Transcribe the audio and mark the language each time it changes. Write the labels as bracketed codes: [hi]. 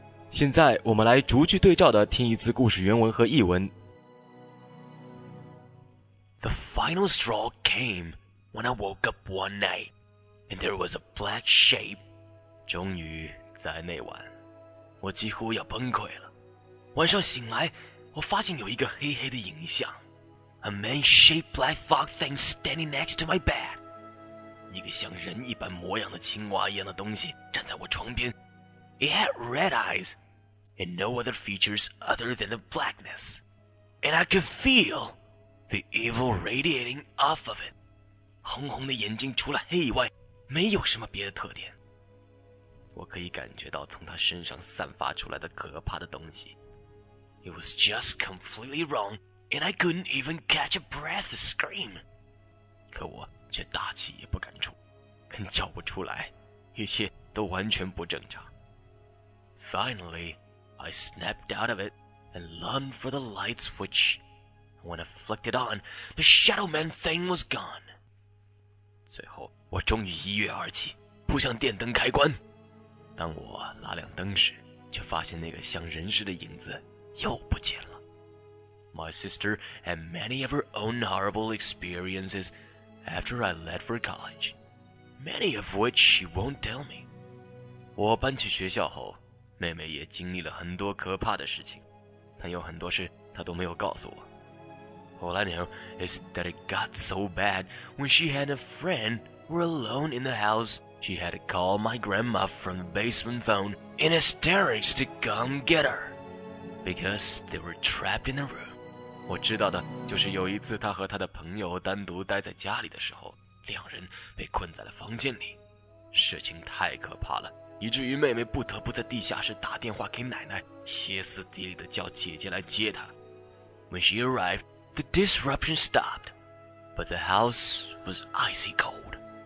[zh] 现在我们来逐句对照的听一次故事原文和译文。 [en] The final straw came. When I woke up one night, and there was a black shape. [zh] 终于在那晚，我几乎要崩溃了。晚上醒来，我发现有一个黑黑的影像， [en] a man-shaped black fog thing standing next to my bed. [zh] 一个像人一般模样的青蛙一样的东西站在我床边。 [en] It had red eyes, and no other features other than the blackness. And I could feel the evil radiating off of it. [zh] 红红的眼睛除了黑以外没有什么别的特点。我可以感觉到从他身上散发出来的可怕的东西。 [en] It was just completely wrong, and I couldn't even catch a breath to scream. [zh] 可我却大气也不敢出，更叫不出来，一一切都完全不正常。 [en] Finally, I snapped out of it and lunged for the light switch. When I flicked it on, the shadow man thing was gone. [zh] 最后我终于一跃而起，扑向电灯开关。当我拉亮灯时，却发现那个像人似的影子又不见了。 [en] My sister had many of her own horrible experiencesAfter I left for college, many of which she won't tell me. [zh] 我搬去学校后，妹妹也经历了很多可怕的事情，但有很多事她都没有告诉我。 [en] All I know is that it got so bad when she and a friend were alone in the house, she had to call my grandma from the basement phone in hysterics to come get her, because they were trapped in the room. [zh] 我知道的就是有一次他和他的朋友单独待在家里的时候，两人被困在了房间里。事情太可怕了，以至于妹妹不得不在地下室打电话给奶奶，歇斯底里地叫姐姐来接她。 [en] When she arrived, the disruption stopped, but the house was icy cold.